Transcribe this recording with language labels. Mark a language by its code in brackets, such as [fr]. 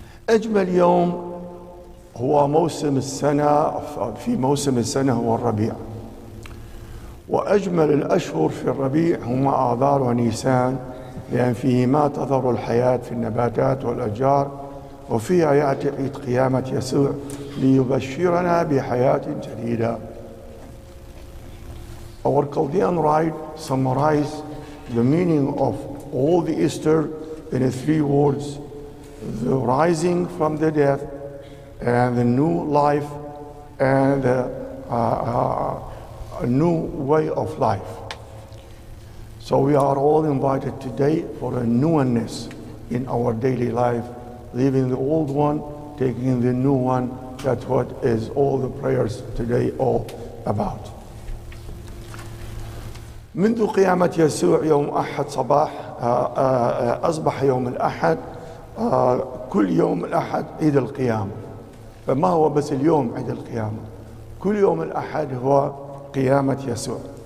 [ar] أجمل يوم هو موسم السنة، في موسم السنة هو الربيع، وأجمل الأشهر في الربيع هما آذار ونيسان، لأن فيهما تظهر الحياة في النباتات والأشجار، وفيها يأتي عيد قيامة يسوع ليبشرنا بحياة جديدة. [en] Our Chaldean rite summarizes the meaning of all the Easter in three words: the rising from the death, and the new life, and the a new way of life. So we are all invited today for a newness in our daily life, leaving the old one, taking the new one. That's what is all the prayers today all about. [ar] منذ قيامة يسوع يوم أحد صباح أصبح يوم الأحد، كل يوم الأحد عيد القيامة. فما هو بس اليوم عيد القيامة؟ كل يوم الأحد هو قيامة يسوع.